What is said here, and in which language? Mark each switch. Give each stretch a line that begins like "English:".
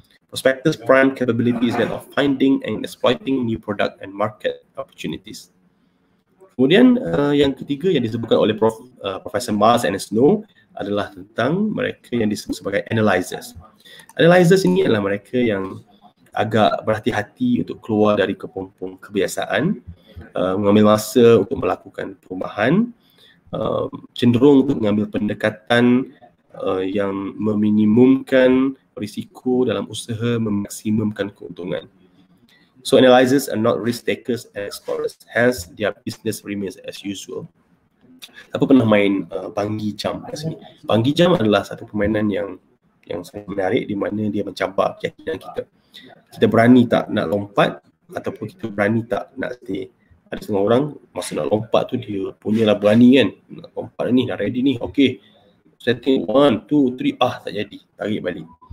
English: Prospectors' prime capability is that of finding and exploiting new product and market opportunities.
Malay: Kemudian yang ketiga yang disebutkan oleh Professor Mars and Snow adalah tentang mereka yang disebut sebagai analyzers. Analyzers ini adalah mereka yang agak berhati-hati untuk keluar dari kepompong kebiasaan, mengambil masa untuk melakukan perubahan, cenderung untuk mengambil pendekatan yang meminimumkan risiko dalam usaha memaksimumkan keuntungan.
English: So analyzers are not risk takers and explorers, hence their business remains as usual.
Malay: Siapa pernah main banggi jump kat sini? Banggi jump adalah satu permainan yang sangat menarik di mana dia mencabar keyakinan kita. Kita berani tak nak lompat ataupun kita berani tak nak stay. Ada semua orang masa nak lompat tu dia punyalah berani kan. Nak lompat ni, dah ready ni, okay. Setting 1, 2, 3, tak jadi. Tarik balik.